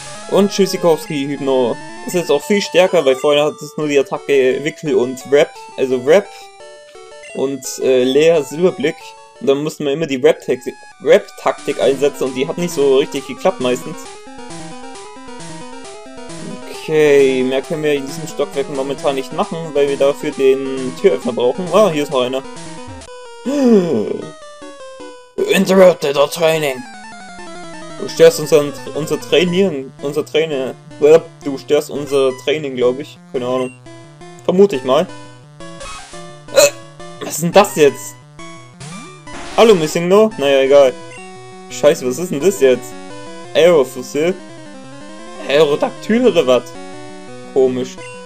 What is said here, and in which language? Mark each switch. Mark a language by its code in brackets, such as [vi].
[de] Und Tschüssikowski Hypno ist jetzt auch viel stärker, weil vorher hat es nur die Attacke Wickel und Rap, also Rap und Leer Silberblick. Und dann mussten wir immer die Rap-Taktik einsetzen und die hat nicht so richtig geklappt meistens. Okay, mehr können wir in diesem Stockwerk momentan nicht machen, weil wir dafür den Türöffner brauchen. Ah, hier ist auch einer. [en] You interrupted our training. [de] Du störst unser Training, glaube ich. Keine Ahnung. Vermute ich mal. Was ist denn das jetzt? Hallo, Missing No? Naja, egal. Scheiße, was ist denn das jetzt? Aerofossil? Aerodactyl oder was? Komisch.